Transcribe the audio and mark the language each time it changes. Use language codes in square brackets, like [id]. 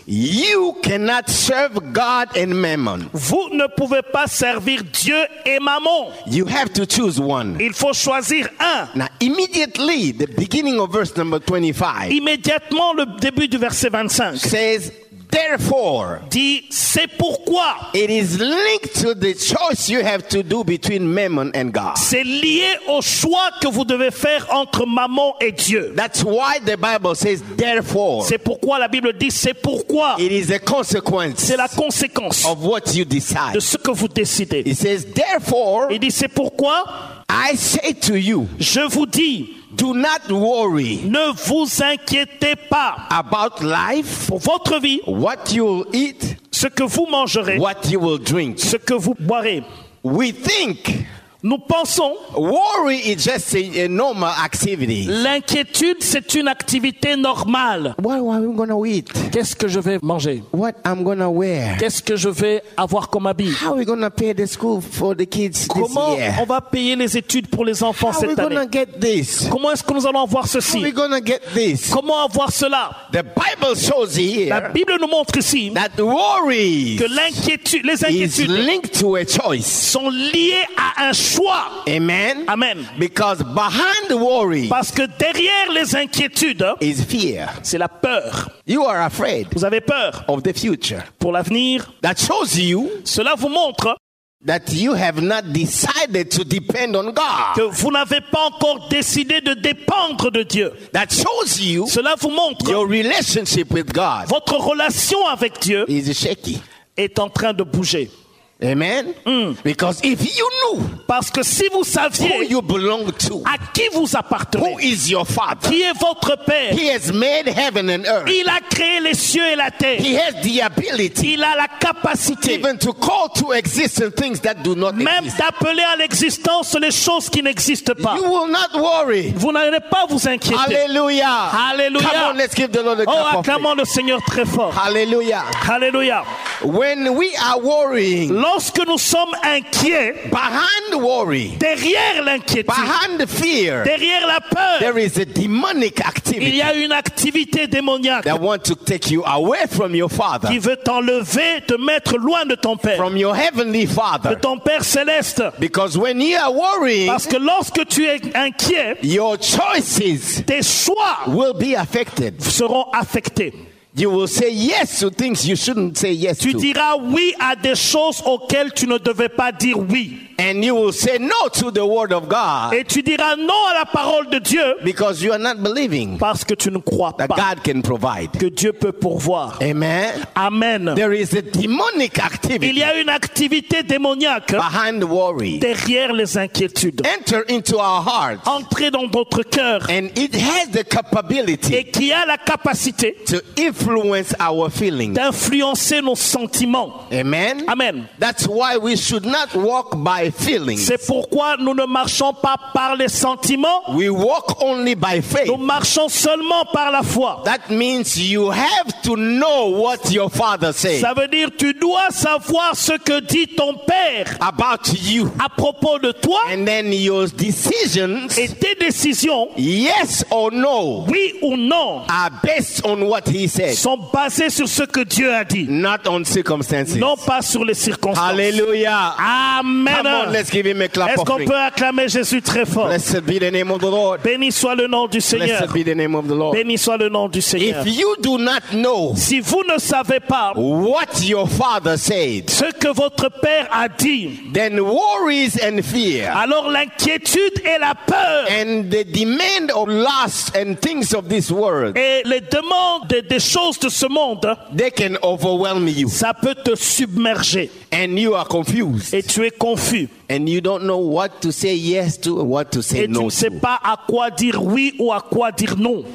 [en] You cannot serve God and Mammon. [fr] Vous ne pouvez pas servir Dieu et Mammon. [en] You have to choose one. [fr] Il faut choisir un. [en] Now immediately the beginning of verse number 25. [fr] Immédiatement le début du verset 25. [en] Says therefore, [fr] dit, c'est pourquoi. [en] It is linked to the choice you have to do between Mammon and God. [fr] C'est lié au choix que vous devez faire entre Mammon et Dieu. [en] That's why the Bible says therefore. [fr] C'est pourquoi la Bible dit c'est pourquoi. [en] It is a consequence. [fr] C'est la conséquence [en] of what you decide. [fr] De ce que vous décidez. [en] It says therefore. [fr] Il dit c'est pourquoi. [en] I say to you. [fr] Je vous dis. [en] Do not worry. [fr] Ne vous inquiétez pas. [en] About life. [fr] Pour votre vie. [en] What you will eat. [fr] Ce que vous mangerez. [en] What you will drink. [fr] Ce que vous boirez. [en] We think. [fr] Nous pensons. [en] Worry is just a normal activity. [fr] L'inquiétude, c'est une activité normale. [en] What am I gonna eat? [fr] Qu'est-ce que je vais manger? [en] What I'm gonna wear? [fr] Qu'est-ce que je vais avoir comme habit? [en] How are we gonna pay the school for the kids [fr] Comment [en] this year? [fr] On va payer les études pour les enfants [en] How [fr] cette [en] we gonna [fr] année? [en] Get this? [fr] Comment est-ce que nous allons avoir ceci? [en] How are we gonna get this? [fr] Comment avoir cela? [en] The Bible shows here [fr] La Bible nous montre ici [en] that worries [fr] que l'inquiétude, les inquiétudes [en] is linked to a choice. [fr] Sont liées à un choix. Amen. Amen. [en] Because behind the worry, [fr] parce que derrière les inquiétudes, [en] is fear. [fr] C'est la peur. [en] You are afraid. [fr] Vous avez peur [en] of the future. [fr] Pour l'avenir. [en] That shows you. [fr] Cela vous montre [en] that you have not decided to depend on God. [fr] Que vous n'avez pas encore décidé de dépendre de Dieu. [en] That shows you. [fr] Cela vous montre [en] your relationship with God. [fr] Votre relation avec Dieu [en] is shaky. [fr] Est en train de bouger. Amen. Mm. [en] Because if you knew, [fr] parce que si vous saviez [en] who you belong to, [fr] à qui vous appartenez, [en] who is your father, [fr] qui est votre père, [en] he has made heaven and earth, [fr] il a créé les cieux et la terre, [en] he has the ability, [fr] il a la capacité, [en] even to call to existence things that do not [fr] même [en] exist, [fr] d'appeler à l'existence les choses qui n'existent pas, [en] you will not worry, [fr] vous n'allez pas vous inquiéter. Alléluia. Alléluia. [en] Come on, let's give the Lord a clap. [fr] Oh, acclamons le Seigneur très fort. Alléluia. Alléluia. [en] When we are worrying. [fr] Lorsque nous sommes inquiets, [en] behind worry, [fr] derrière l'inquiétude, [en] behind fear, [fr] derrière la peur, [en] there is a demonic activity, [fr] il y a une activité démoniaque [en] that want to take you away from your father, [fr] qui veut t'enlever, te mettre loin de ton père, [en] from your heavenly father, [fr] de ton père céleste. [en] Because when you are worrying, [fr] parce que lorsque tu es inquiet, [en] your choices, [fr] tes choix, [en] will be affected, [fr] seront affectés. [en] You will say yes to things you shouldn't say yes [fr] to. Tu diras oui à des choses auxquelles tu ne devais pas dire oui. [en] And you will say no to the word of God. [fr] Et tu diras non à la parole de Dieu. [en] Because you are not believing. [fr] Parce que tu ne crois pas. [en] That God can provide. [fr] Que Dieu peut pourvoir. Amen. Amen. [en] There is a demonic activity. [fr] Il y a une activité démoniaque. [en] Behind the worry. [fr] Derrière les inquiétudes. [en] Enter into our hearts. [fr] Entrez dans notre cœur. [en] And it has the capability. [fr] Et qui a la capacité. [en] To influence our feelings. [fr] D'influencer nos sentiments. Amen. Amen. [en] That's why we should not walk by. [fr] C'est pourquoi nous ne marchons pas par les sentiments. [en] We walk only by faith. [fr] Nous marchons seulement par la foi. [en] That means you have to know what your father says. [fr] Ça veut dire tu dois savoir ce que dit ton père [en] about you. [fr] À propos de toi. [en] And then your decisions. [fr] Et tes décisions. [en] Yes or no. [fr] Oui ou non. [en] Are based on what he said. [fr] Sont basées sur ce que Dieu a dit. [en] Not on circumstances. [fr] Non pas sur les circonstances. Hallelujah. Amen. [en] Come on, let's give him a clap. [fr] Est-ce qu'on peut acclamer Jésus très fort? [en] Blessed be the name of the Lord. [fr] Béni soit le nom du Seigneur. [en] Blessed be the name of the Lord. [fr] Béni soit le nom du Seigneur. [en] If you do not know, [fr] si vous ne savez pas, [en] what your father said, [fr] ce que votre père a dit, [en] then worries and fear, [fr] alors l'inquiétude et la peur, [en] and the demand of lust and things of this world, [fr] et les demandes des choses de ce monde, [en] they can overwhelm you. [fr] Ça peut te submerger. [en] And you are confused. [fr] Et tu es confus. [en] And you don't know what to say yes to or what to say [fr] et [en] no [fr] tu ne sais pas à quoi dire oui ou à quoi dire non.